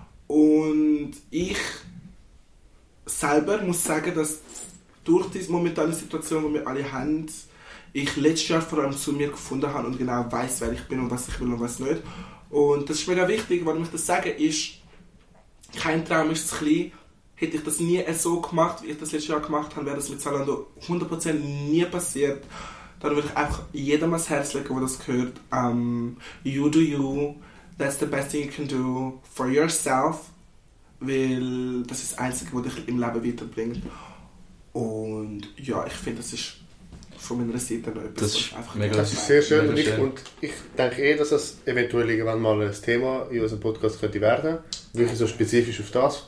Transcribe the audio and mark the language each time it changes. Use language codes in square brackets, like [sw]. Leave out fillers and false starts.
[de] Und ich selber muss sagen, dass durch diese momentane Situation, die wir alle haben, ich letztes Jahr vor allem zu mir gefunden habe und genau weiss, wer ich bin und was ich will und was nicht. Und das ist mega wichtig, warum ich das sage, ist, kein Traum ist zu klein. Hätte ich das nie so gemacht, wie ich das letztes Jahr gemacht habe, wäre das mit Zalando 100% nie passiert. Dann würde ich einfach jedem ans Herz legen, der das gehört. [en] You do you. That's the best thing you can do for yourself. [de] Weil das ist das Einzige, was dich im Leben weiterbringt. Und ja, ich finde, das ist von meiner Seite etwas. Das ist, einfach mega, das ist sehr schön. Mega schön. Und ich denke eh, dass das eventuell irgendwann mal ein Thema in unserem Podcast könnte werden. Wirklich so spezifisch auf das.